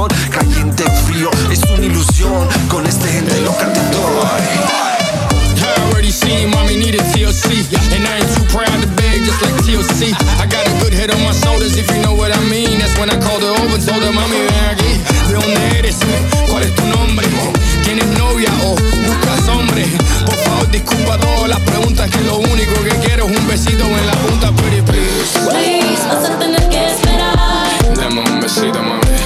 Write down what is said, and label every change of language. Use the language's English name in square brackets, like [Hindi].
[Spanish] Caliente, frío, es una ilusión. Con este gente loca te doy. [English] I already seen you. Mommy need a TLC. And I ain't too proud to beg, just like TLC. I got a good head on my shoulders, if you know what I mean. That's when I called her over, told her, mommy, [Spanish] ven aquí. ¿De dónde eres? ¿Cuál es tu nombre? ¿Tienes novia o buscas hombre? Por favor, disculpa todas las preguntas, que lo único que quiero es un besito en la punta, [English] pretty please. [Spanish] Please, vas a tener que esperar. Dame un besito, mami.